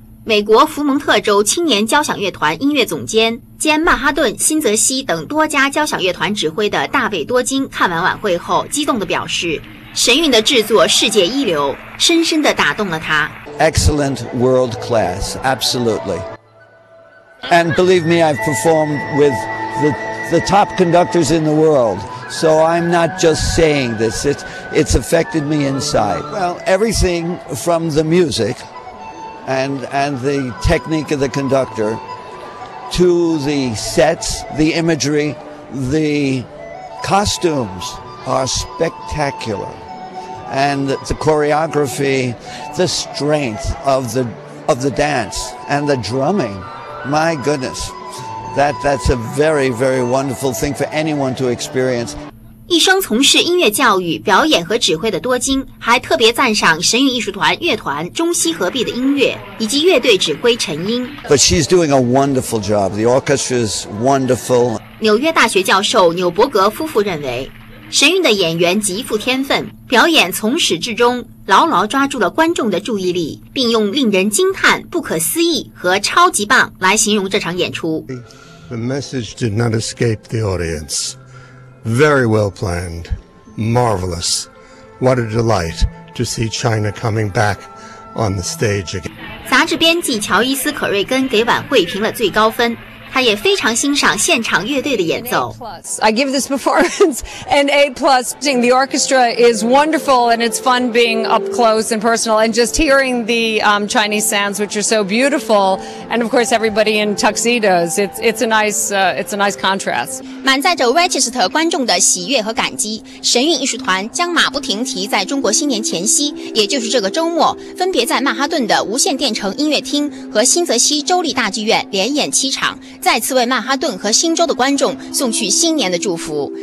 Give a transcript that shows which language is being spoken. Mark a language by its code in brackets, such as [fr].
[zh] 美国福蒙特州青年交响乐团音乐总监兼曼哈顿、新泽西等多家交响乐团指挥的大卫·多金看完晚会后激动地表示，神韵的制作世界一流，深深地打动了他。 [en] Excellent, world class, absolutely. And believe me, I've performed with the top conductors in the worldSo I'm not just saying this, it's affected me inside. Well, everything from the music and the technique of the conductor to the sets, the imagery, the costumes are spectacular. And the choreography, the strength of the dance and the drumming, my goodness. That's a very, very wonderful thing for anyone to experience. [zh] 一生从事音乐教育、表演和指挥的多金还特别赞赏神韵艺术团乐团中西合璧的音乐以及乐队指挥陈英。 [en] But she's doing a wonderful job. The orchestra is wonderful. [zh] 纽约大学教授纽伯格夫妇认为，神韵的演员极富天分，表演从始至终牢牢抓住了观众的注意力，并用令人惊叹、不可思议和超级棒来形容这场演出。 [en] The message did not escape the audience. Very well planned. Marvelous. What a delight to see China coming back on the stage again. [zh] 杂志编辑乔伊斯·可瑞根给晚会评了最高分，他也非常欣赏现场乐队的演奏。 [en] I give this performance an A plus. The orchestra is wonderful, and it's fun being up close and personal, and just hearing the Chinese sounds, which are so beautiful, and of course everybody in tuxedos. It's a nice contrast. [zh] 满载着 Register 观众的喜悦和感激，神韵艺术团将马不停蹄在中国新年前夕，也就是这个周末，分别在曼哈顿的无线电城音乐厅和新泽西州立大剧院连演七场。再次为曼哈顿和新州的观众送去新年的祝福。